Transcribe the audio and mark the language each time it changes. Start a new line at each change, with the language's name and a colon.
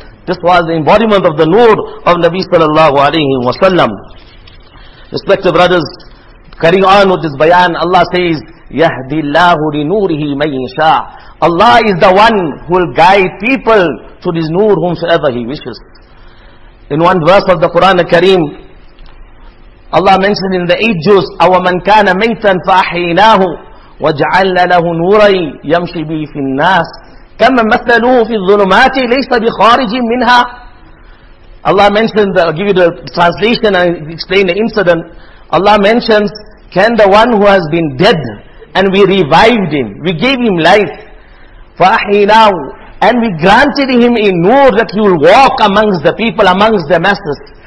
English: This was the embodiment of the nur of Nabi sallallahu alayhi wa sallam. Respected brothers, carrying on with this bayan, Allah says,
Arabic: يَهْدِ اللَّهُ لِنُورِهِ مَنْ يَشَاءُ.
English: Allah is the one who will guide people to this nur whomsoever He wishes.
Arabic: In one verse of the Quran Kareem, Allah mentioned in the 8th juz, أَوَمَنْ كَانَ مَيْتًا فَأَحْيَيْنَاهُ وَجَعَلْنَا لَهُ نُورًا يَمْشِي بِهِ فِي النَّاسِ كَمَا مَثَلُهُ فِي الظُّلُمَاتِ لَيْسَ بِخَارِجٍ مِنْهَا.
English: Allah mentioned, I'll give you the translation and explain the incident. Allah mentions, can the one who has been dead and we revived him, we gave him life, فَأَحْيِنَاهُ, and we granted him a nur that he will walk amongst the people, amongst the masses.